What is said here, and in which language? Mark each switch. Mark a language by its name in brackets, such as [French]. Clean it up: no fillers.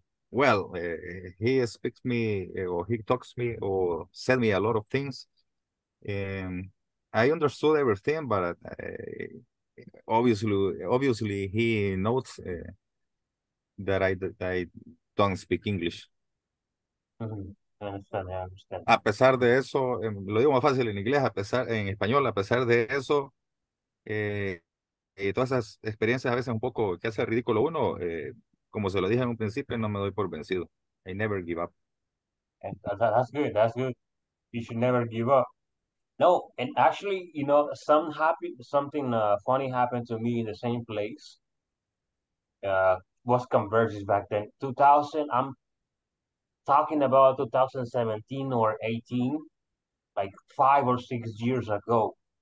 [English] Well, he speaks me, or he talks me, or said me a lot of things. I understood everything, but obviously, he notes that I don't speak English. I understand. [Spanish] A pesar de eso, lo digo más fácil en inglés, a pesar de eso, todas esas experiencias a veces un poco que hace ridículo uno. Como se lo dije en un principio, no me doy por vencido. [English] I never give up. That's good. You should never give up. No, and actually, you know, something funny happened to me in the same place. Was Converges back then. 2000, I'm talking about 2017 or 18, like 5 or 6 years ago.